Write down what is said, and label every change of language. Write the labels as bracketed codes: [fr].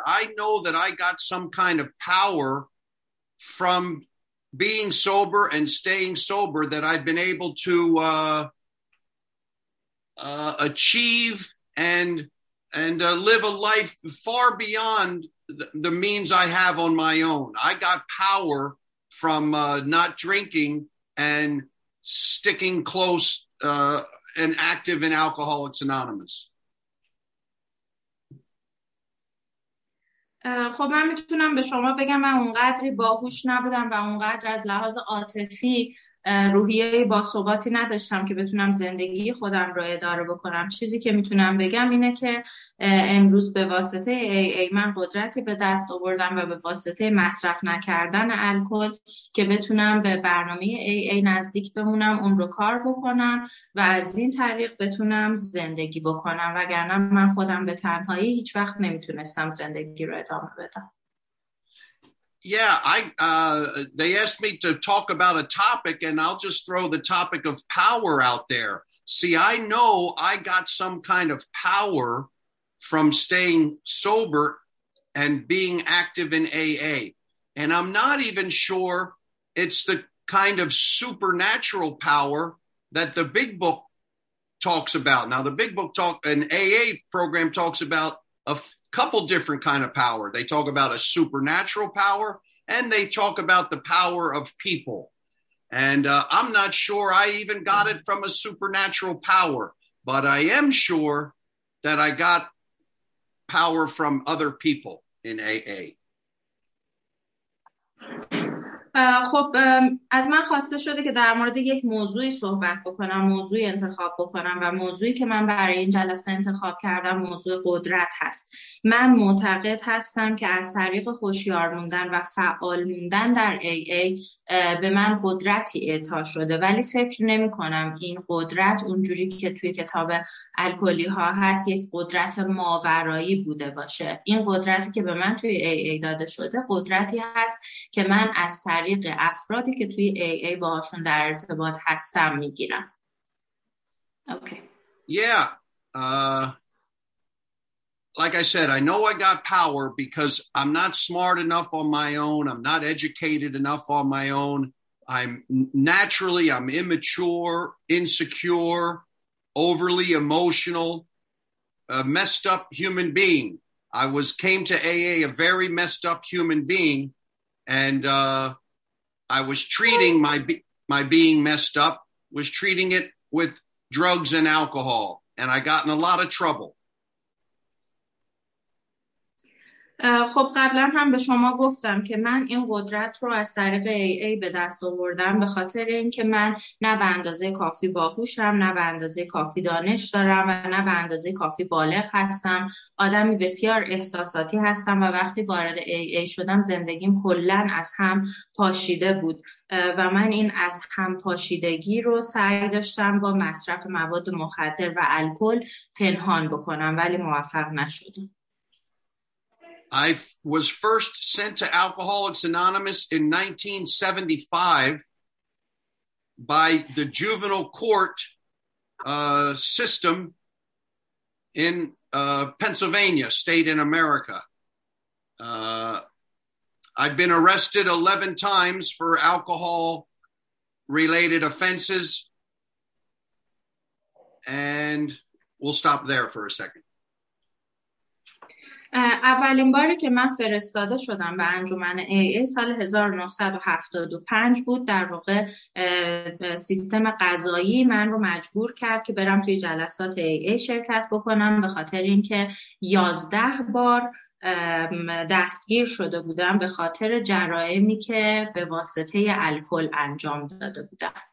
[en] I know that I got some kind of power from being sober and staying sober that I've been able to achieve and live a life far beyond the means I have on my own. I got power from not drinking and sticking close and active in Alcoholics Anonymous. [fa] خب من میتونم به شما بگم من اونقدری باهوش نبودم و اونقدر از لحاظ عاطفی روحیه باثباتی نداشتم که بتونم زندگی خودم رو اداره بکنم. چیزی که میتونم بگم اینه که امروز به واسطه AA من قدرتی به دست آوردم و به واسطه مصرف نکردن الکل که بتونم به برنامه AA نزدیک بمونم، اون رو کار بکنم و از این طریق بتونم زندگی بکنم، وگرنه من خودم به تنهایی هیچ وقت نمیتونستم زندگی رو ادامه بدم. [en] Yeah, they asked me to talk about a topic, and I'll just throw the topic of power out there. See, I know I got some kind of power from staying sober and being active in AA. And I'm not even sure it's the kind of supernatural power that the Big Book talks about. Now, the Big Book talk an AA program talks about a couple different kind of power. They talk about a supernatural power, and they talk about the power of people. And I'm not sure I even got it from a supernatural power, but I am sure that I got power from other people in AA. [fa] خب از من خواسته شده که در مورد یک موضوعی صحبت بکنم، موضوعی انتخاب بکنم و موضوعی که من برای این جلسه انتخاب کردم موضوع قدرت هست. من معتقد هستم که از طریق هوشیار موندن و فعال موندن در AA به من قدرتی اعطا شده، ولی فکر نمی کنم این قدرت اونجوری که توی کتاب الکلی ها هست یک قدرت ماورایی بوده باشه. این قدرتی که به من توی AA داده شده قدرتی هست که من از طریق افرادی که توی AA باهاشون در ارتباط هستم میگیرم. اوکی. [en] Yeah. like I said, I know I got power because I'm not smart enough on my own. I'm not educated enough on my own. I'm immature, insecure, overly emotional, a messed up human being. I was came to AA a very messed up human being, and I was treating my being messed up, was treating it with drugs and alcohol, and I got in a lot of trouble. [fa] خب قبلا هم به شما گفتم که من این قدرت رو از طریق AA به دست آوردم به خاطر اینکه من نه به اندازه کافی باهوشم، نه به اندازه کافی دانش دارم و نه به اندازه کافی بالغ هستم. آدمی بسیار احساساتی هستم و وقتی وارد AA شدم زندگیم کلن از هم پاشیده بود و من این از هم پاشیدگی رو سعی داشتم با مصرف مواد مخدر و الکل پنهان بکنم ولی موفق نشدم. [en] I was first sent to Alcoholics Anonymous in 1975 by the juvenile court system in Pennsylvania, state in America. I'd been arrested 11 times for alcohol-related offenses. And we'll stop there for a second. [fa] اولین باری که من فرستاده شدم به انجمن AA سال 1975 بود. در واقع سیستم قضایی من رو مجبور کرد که برم توی جلسات AA شرکت بکنم به خاطر اینکه 11 بار دستگیر شده بودم به خاطر جرائمی که به واسطه الکل انجام داده بودم.